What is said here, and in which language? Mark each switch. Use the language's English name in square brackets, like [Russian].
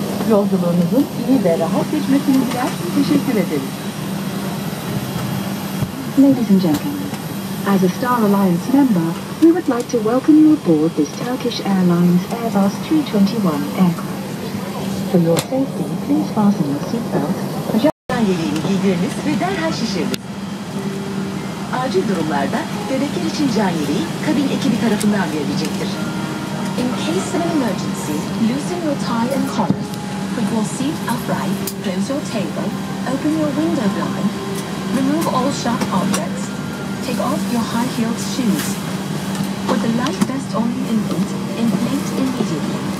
[Turkish] Yolculuğunuzun iyi ve rahat geçmesini diler, teşekkür ederiz. [English] Ladies and gentlemen, as a Star Alliance member, we would like to welcome you aboard this Turkish Airlines Airbus 321 aircraft. For your safety, please fasten your seatbelt. [Turkish] Giydiriniz ve derhal şişiriniz. Acil durumlarda bebekler için can yeleği kabin ekibi tarafından verilecektir. [English] In case of an emergency, loosen your tie and collar. Put your seat upright, close your table, open your window blind, remove all sharp objects, take off your high-heeled shoes. Put the life vest on the infant, inflate immediately.